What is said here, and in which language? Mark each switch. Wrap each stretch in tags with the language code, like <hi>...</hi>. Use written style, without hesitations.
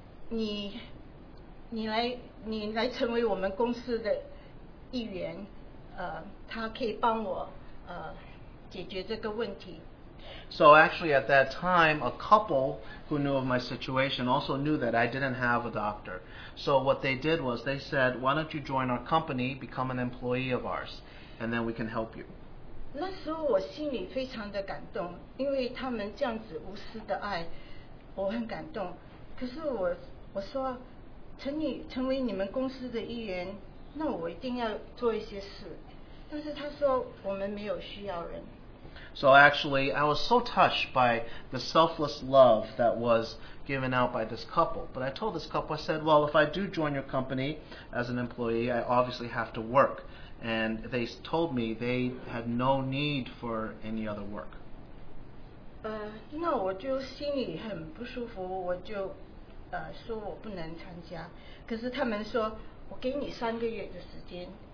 <zh>你来成为我们公司的一员，他可以帮我解决这个问题。</zh> <en>So actually at that time, a couple who knew of my situation also knew that I didn't have a doctor. So what they did was they said, why don't you join our company, become an employee of ours, and then we can help you.</en> <zh>那时候我心里非常的感动，因为他们这样子无私的爱，我很感动。可是我说，成为你们公司的一员，那我一定要做一些事。但是他说，我们没有需要人。</zh> <en>So actually, I was so touched by the selfless love that was given out by this couple. But I told this couple, I said, well, if I do join your company as an employee, I obviously have to work. And they told me they had no need for any other work.</en> <zh>那我就心里很不舒服，我就说我不能参加。可是他们说，我给你3个月的时间，</zh>